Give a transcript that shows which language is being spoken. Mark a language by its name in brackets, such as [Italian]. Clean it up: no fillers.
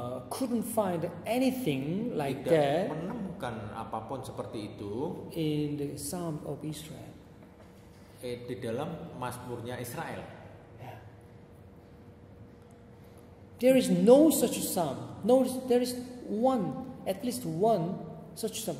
[English] couldn't find anything like that. [Indonesian] Tidak menemukan apapun seperti itu [English] in the Psalm of Israel. [Indonesian] Di dalam Mazmurnya Israel. [English] There is no such psalm. No, there is one, at least one such psalm.